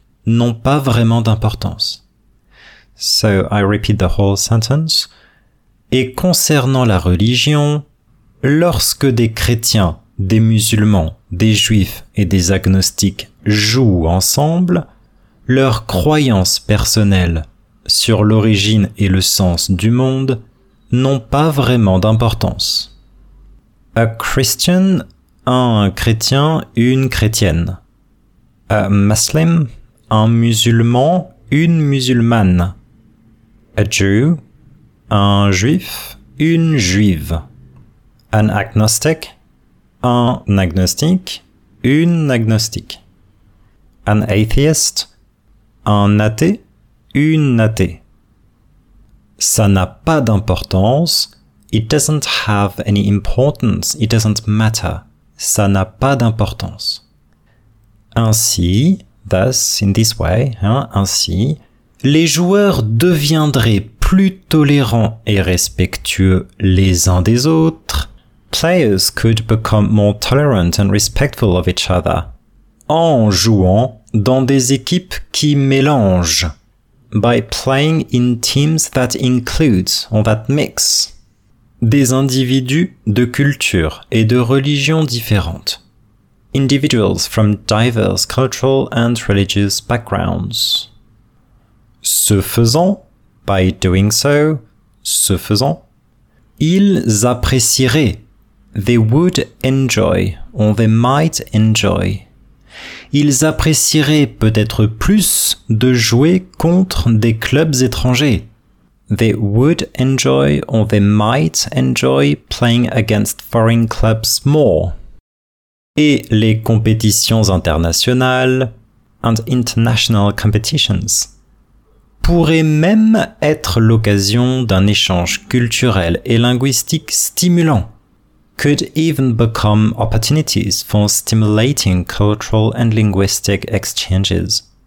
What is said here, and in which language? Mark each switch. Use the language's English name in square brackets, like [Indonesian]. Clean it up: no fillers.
[French] N'ont pas vraiment d'importance. [English] So, I repeat the whole sentence. [French] Et concernant la religion, lorsque des chrétiens, des musulmans, des juifs et des agnostiques jouent ensemble, leurs croyances personnelles sur l'origine et le sens du monde n'ont pas vraiment d'importance. [English] A Christian, [French] un chrétien, une chrétienne. [English] A Muslim, [French] un musulman, une musulmane. [English] A Jew, [French] un juif, une juive. [English] An agnostic, [French] un agnostique, une agnostique. [English] An atheist, [French] un athée, une athée. Ça n'a pas d'importance. [English] It doesn't have any importance. It doesn't matter. [French] Ça n'a pas d'importance. Ainsi, [English] thus, in this way, [French] hein, ainsi, les joueurs deviendraient plus tolérants et respectueux les uns des autres. [English] Players could become more tolerant and respectful of each other [French] en jouant dans des équipes qui mélangent. [English] By playing in teams that include, or that mix, [French] des individus de culture et de religions différentes. [English] Individuals from diverse cultural and religious backgrounds. [French] Ce faisant, [English] by doing so, [French] ce faisant, ils apprécieraient, [English] they would enjoy, or they might enjoy, [French] ils apprécieraient peut-être plus de jouer contre des clubs étrangers. [English] They would enjoy or they might enjoy playing against foreign clubs more. [French] Et les compétitions internationales [English] and international competitions [French] pourraient même être l'occasion d'un échange culturel et linguistique stimulant. [English] Could even become opportunities for stimulating cultural and linguistic exchanges.